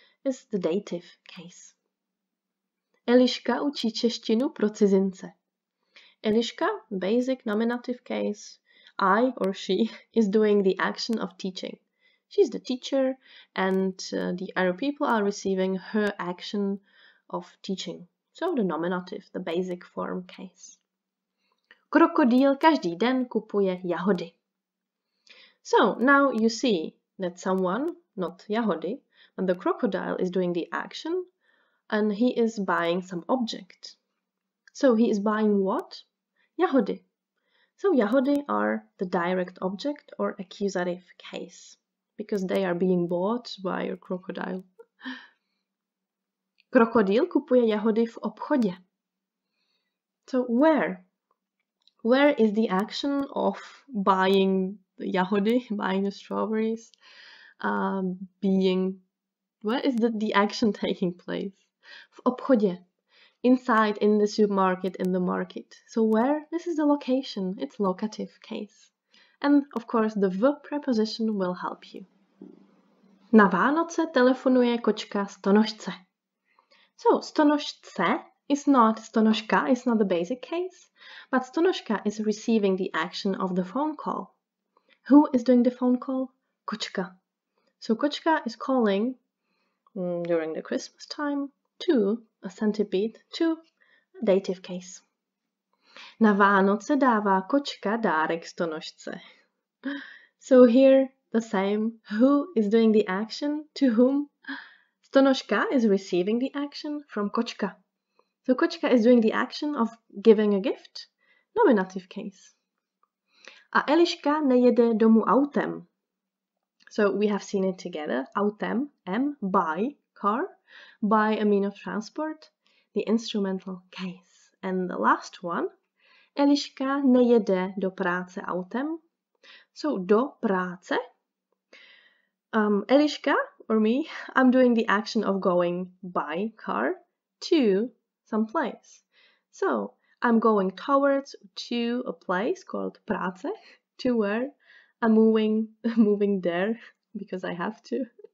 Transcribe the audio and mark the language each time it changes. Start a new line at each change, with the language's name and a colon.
English: It's the dative case.
Czech: Eliška učí češtinu pro cizince.
English: Eliška, basic nominative case. I or she is doing the action of teaching. She's the teacher and the other people are receiving her action of teaching. So the nominative, the basic form case.
Czech: Krokodýl každý den kupuje jahody.
English: So now you see that someone, not jahody, but the crocodile is doing the action and he is buying some object. So he is buying what? Jahody. So jahody are the direct object or accusative case because they are being bought by a crocodile.
Czech: Krokodýl kupuje jahody v obchodě.
English: So where? Where is the action of buying the jahody, buying the strawberries, being... Where is the action taking place?
Czech: V obchodě.
English: Inside, in the supermarket, in the market. So where? This is the location. It's locative case. And of course, the V preposition will help you.
Czech: Na Vánoce telefonuje kočka stonožce.
English: So, stonožce is not stonožka, it's not the basic case, but stonožka is receiving the action of the phone call. Who is doing the phone call? Kočka. So, kočka is calling during the Christmas time to a centipede, to a dative case.
Czech: Na Vánoce dává kočka dárek stonožce.
English: So, here the same. Who is doing the action? To whom? Stonožka is receiving the action from kočka. So kočka is doing the action of giving a gift. Nominative case.
Czech: A Eliška nejede domů autem.
English: So we have seen it together. Autem, M, by, car, by a mean of transport. The instrumental case. And the last one.
Czech: Eliška nejede do práce autem.
English: So
Czech: do práce.
English: Eliška. For me, I'm doing the action of going by car to some place. So, I'm going towards to a place called práce, to where I'm moving there because I have to.